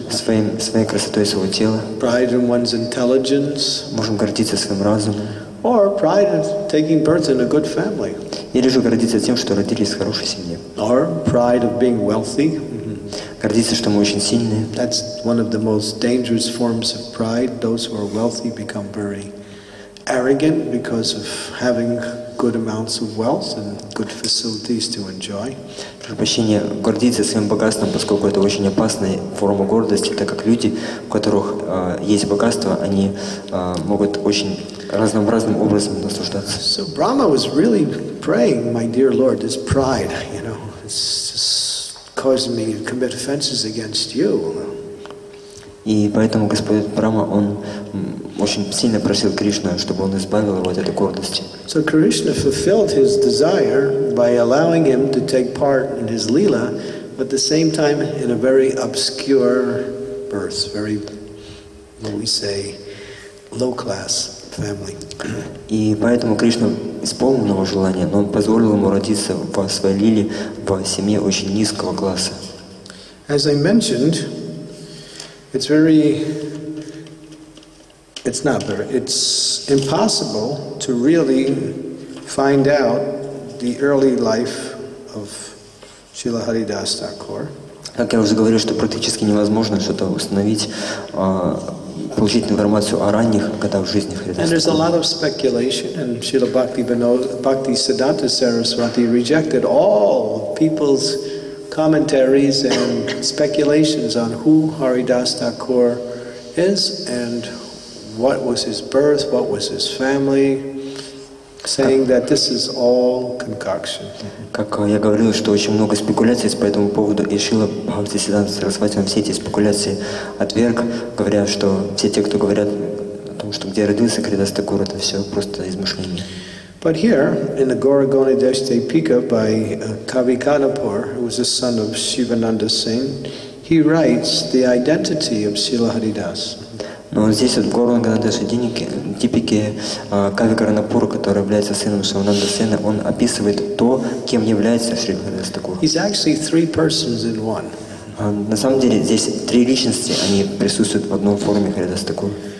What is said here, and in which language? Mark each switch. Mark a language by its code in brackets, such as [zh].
[ru] Своей красотой своего тела. [en] Pride in one's intelligence. [ru] Можем гордиться своим разумом. [en] Or pride in taking birth in a good family. [ru] Или же гордиться тем, что родились в хорошей семье. [en] Or pride of being wealthy. [ru] Гордиться, что мы очень сильные. [en] That's one of the most dangerous forms of pride. Those who are wealthy become very arrogant because of having good amounts of wealth and good facilities to enjoy. [ru] Прошу прощения, гордиться своим богатством, поскольку это очень опасная форма гордости, так как люди, у которых есть богатство, они могут очень разным образом наслаждаться. [en] So Brahma was really praying, my dear Lord, this pride, you know, it's just causing me to commit offenses against you. [ru] И поэтому Господь Брама, он очень сильно просил Кришну, чтобы он избавил его от этой гордости. [en] So Krishna fulfilled his desire by allowing him to take part in his lila, but at the same time in a very obscure birth, very, what we say, low-class family. [ru] И поэтому Кришна исполнил его желание, но он позволил ему родиться в своей лиле в семье очень низкого класса. [en] As I mentioned, it's impossible to really find out the early life of Srila Haridas Thakur. [ru] Как я уже говорил, что практически невозможно что-то установить, получить информацию о ранних годах жизни Харидаса. [en] And there's a lot of speculation, and Srila Bhaktisiddhanta Saraswati rejected all people's commentaries and speculations on who Haridas Thakur is and what was his birth, what was his family, saying that this is all concoction. [ru] Как я говорил, что очень много спекуляций по этому поводу, и Шрила Бхактисиддханта Сарасвати все эти спекуляции отверг, говоря, что все те, кто говорят о том, что где родился Харидас Такур, это все просто измышление. [en] But here, in the Gauranga Deshtepika by Kavi Kanapur, who was the son of Sivananda Singh, he writes the identity of Srila Haridas. [ru] Но здесь в Гауранга Дештепике Кави Канапур, который является сыном Сивананда Сена, он описывает то, кем является Шри Харидас Такур. [en] He's actually three persons in one. [ru] На самом деле здесь три личности, они присутствуют в одном форме Харидас Такур.